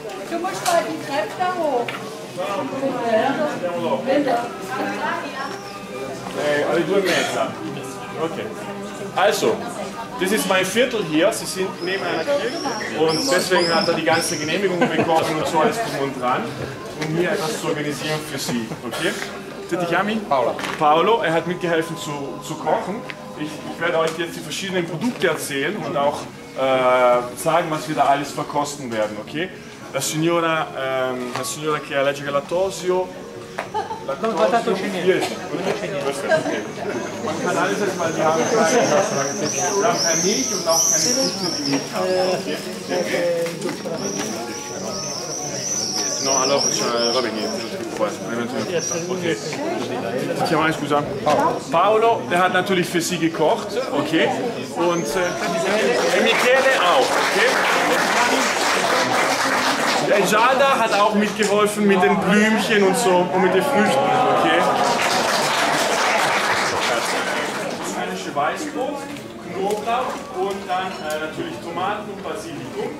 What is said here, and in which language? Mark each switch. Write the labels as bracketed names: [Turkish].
[German] du musst mal die Treppe da hoch. [Italian] Alle due e mezza. Okay. [German] Also. Das ist mein Viertel hier, sie sind neben einer Kirche und deswegen hat er die ganze Genehmigung bekommen und so alles drum und dran, um hier etwas zu organisieren für sie. Okay? Paolo, er hat mitgeholfen zu kochen. Ich werde euch jetzt die verschiedenen Produkte erzählen und auch sagen, was wir da alles verkosten werden. Okay? [Italian] La signora che è allergica al lattosio. [German] Man kann alles erstmal, die haben keine Milch und auch keine Kuchen. [Italian] No, allora c'è Robin [German] hier, [Italian] okay. [German] Ich habe eins gesagt. Paolo, der hat natürlich für Sie gekocht, okay? Und Michele auch, okay? Der Giada hat auch mitgeholfen mit den Blümchen und so und mit den Früchten, okay? Das rheinische Weißbrot, Knoblauch und dann natürlich Tomaten und Basilikum.